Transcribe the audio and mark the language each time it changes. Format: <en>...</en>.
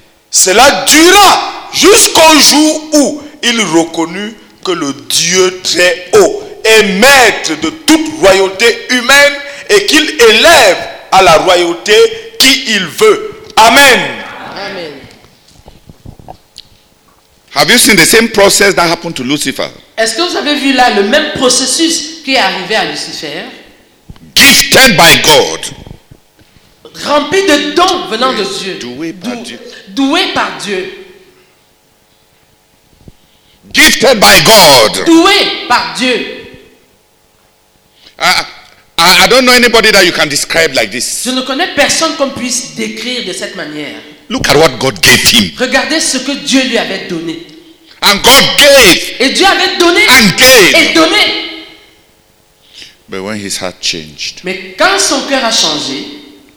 <fr>Cela dura jusqu'au jour où il reconnut que le Dieu très haut est maître de toute royauté humaine et qu'il élève à la royauté qui il veut. Amen. Amen.</fr> <en>Have you seen the same process that happened to Lucifer?</en> <fr>Est-ce que vous avez vu là le même processus qui est arrivé à Lucifer?</fr> <en>Gifted by God.</en> <fr>Rempli de dons venant de Dieu. Doué par Dieu.</fr> <en>Gifted by God.</en> <fr>Doué par Dieu.</fr> <en>I don't know anybody that you can describe like this.</en> <fr>Je ne connais personne qu'on puisse décrire de cette manière.</fr> <en>Look at what God gave him.</en> <fr>Regardez ce que Dieu lui avait donné.</fr> <en>And God gave.</en> <fr>Et Dieu avait donné.</fr> <en>And gave.</en> <fr>Et donné.</fr> <en>But when his heart changed. Mais quand son cœur a changé.</en>